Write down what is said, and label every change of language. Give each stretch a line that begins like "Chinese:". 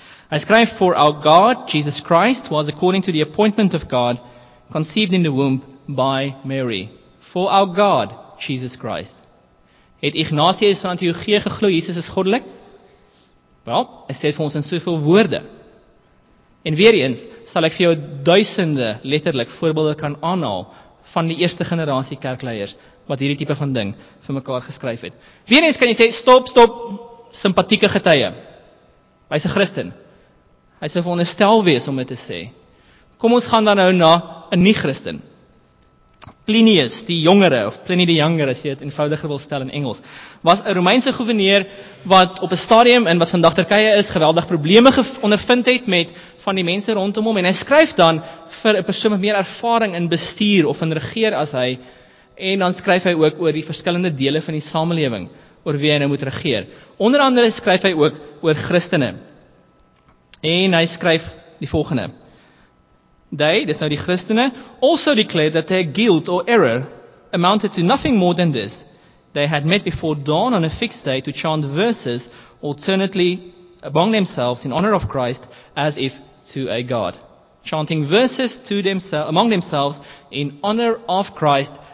Afrikaans: Hy skryf,
English: "For our God, Jesus Christ, was according to the appointment of God, conceived in the womb by Mary." For our God, Jesus Christ.
Afrikaans: Het Ignatius van Antiochië geglo Jesus is goddelik? Wel, hy sê dit vir ons in soveel woorde. En weer eens, sal ek vir jou duisende letterlik voorbeelde kan aanhaal van die eerste generasie kerkleiers wat hierdie tipe van ding vir mekaar geskryf het. Weer eens kan jy sê, stop, sympathieke getuie. Hy's 'n Christen. Hy sou veronderstel wees om dit te sê. Kom ons gaan dan nou na 'n nie-Christen. Plinius die jongere, of Pliny the Younger, as jy het eenvoudiger wil stel in Engels, was 'n Romeinse goewerneur wat op 'n stadium in wat vandag Turkye is, geweldig probleme ondervind het met van die mense rondom hom, en hy skryf dan vir 'n persoon met meer ervaring in bestuur of in regeer as hy, en dan skryf hy ook oor die verskillende dele van die samelewing oor wie hy nou moet regeer. Onder andere skryf hy ook oor Christene, en hy skryf die volgende.
English: They,
Afrikaans: dis nou die Christene,
English: also declared that their guilt or error amounted to nothing more than this. They had met before dawn on a fixed day to chant verses alternately among themselves in honor of Christ as if to a god. Chanting verses to themselves among themselves in honor of Christ